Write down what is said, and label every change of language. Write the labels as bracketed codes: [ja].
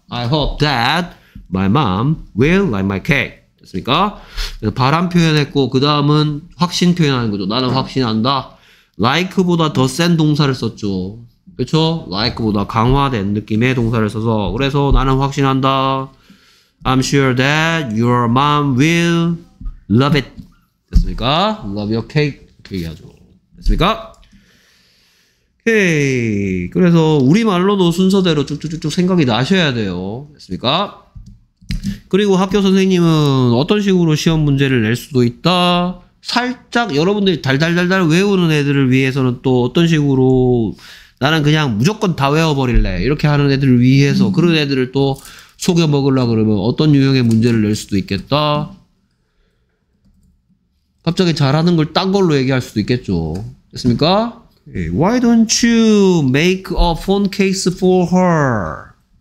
[en] I hope that my mom will like my cake. [ko] 됐습니까? 그래서 바람 표현했고 그 다음은 확신 표현하는 거죠. 나는 확신한다. Like보다 더 센 동사를 썼죠. 그렇죠? Like보다 강화된 느낌의 동사를 써서 그래서 나는 확신한다. [en] I'm sure that your mom will love it. [ko] 됐습니까? [en] Love your cake. [ko] 이렇게 얘기하죠. 됐습니까? 오케이. 그래서 우리말로도 순서대로 쭉쭉쭉쭉 생각이 나셔야 돼요. 됐습니까? 그리고 학교 선생님은 어떤 식으로 시험 문제를 낼 수도 있다? 살짝 여러분들이 달달달달 외우는 애들을 위해서는 또 어떤 식으로 나는 그냥 무조건 다 외워버릴래. 이렇게 하는 애들을 위해서 그런 애들을 또 속여 먹으려 그러면 어떤 유형의 문제를 낼 수도 있겠다. 갑자기 잘하는 걸 딴 걸로 얘기할 수도 있겠죠. 됐습니까? [en] Why don't you make a phone case for her?